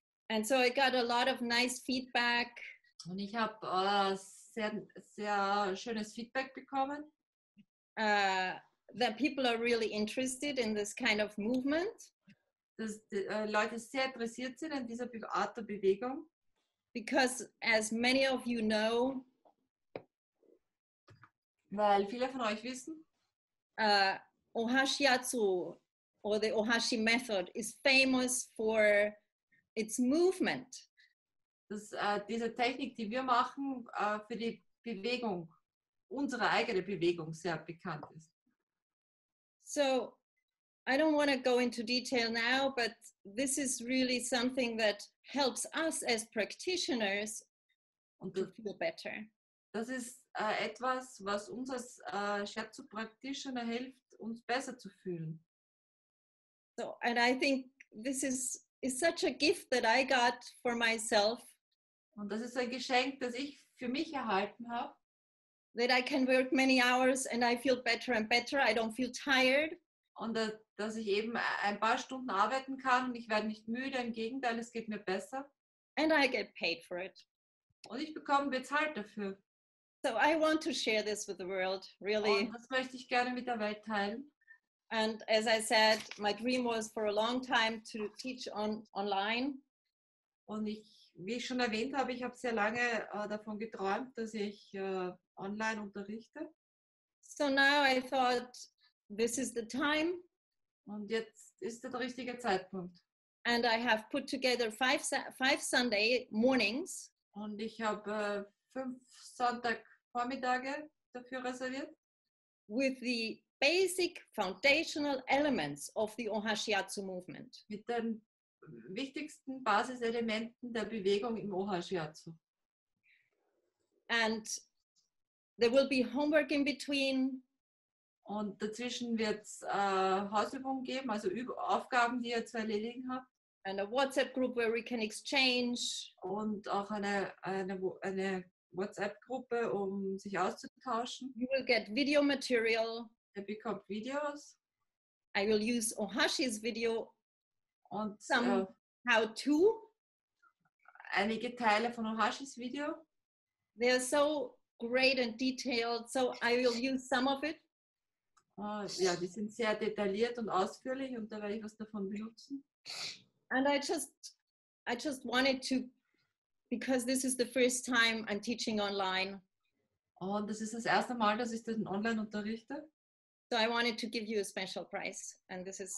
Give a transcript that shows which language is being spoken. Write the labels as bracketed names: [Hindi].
[English] And so I got a lot of nice feedback. [German] Und ich habe sehr sehr schönes Feedback bekommen. [English] That people are really interested in this kind of movement. [German] Dass Leute sehr interessiert sind in dieser Art der Bewegung. [English] Because as many of you know, [German] weil viele von euch wissen, [English] OHASHIATSU or the OHASHI method is famous for its movement. [German] Dass diese Technik, die wir machen, für die Bewegung, unsere eigene Bewegung sehr bekannt ist. [English] So, I don't want to go into detail now, but this is really something that helps us as practitioners [German] und das, [English] to feel better. [German] Das ist etwas, was uns als Shiatsu-Practitioner hilft, uns besser zu fühlen. [English] So, and I think this is such a gift that I got for myself. [German] Und das ist ein Geschenk, das ich für mich erhalten habe. [English] That I can work many hours and I feel better and better. I don't feel tired. [German] und dass ich eben ein paar Stunden arbeiten kann und ich werde nicht müde, im Gegenteil, es geht mir besser. [English] And I get paid for it. [German] Und ich bekomme bezahlt dafür. [English] So I want to share this with the world, really. [German] Und das möchte ich gerne mit der Welt teilen. [English] And as I said, my dream was for a long time to teach online. [German] Und ich, wie ich schon erwähnt habe, ich habe sehr lange davon geträumt, dass ich online unterrichte. [English] So now I thought, this is the time. [German] Und jetzt ist der richtige Zeitpunkt. [English] And I have put together five Sunday mornings. [German] Und ich habe fünf Sonntagvormittage dafür reserviert. [English] With the basic foundational elements of the OHASHI movement. [German] Mit den wichtigsten Basiselementen der Bewegung im OHASHI. [English] And there will be homework in between. [German] Und dazwischen wird es Hausübungen geben, also Aufgaben, die ihr zu erledigen habt. [English] And a WhatsApp group where we can exchange. [German] Und auch eine WhatsApp-Gruppe, um sich auszutauschen. [English] You will get video material. [German] Ihr bekommt Videos. [English] I will use OHASHI's video [German] und [English] some how to. [German] Einige Teile von OHASHI's Video. [English] They are so great and detailed, so I will use some of it. [German] Ja, die sind sehr detailliert und ausführlich und da werde ich was davon benutzen. [English] And I just wanted to, because this is the first time I'm teaching online. [German] Und das ist das erste Mal, dass ich den online unterrichte. [English] So I wanted to give you a special price, and this is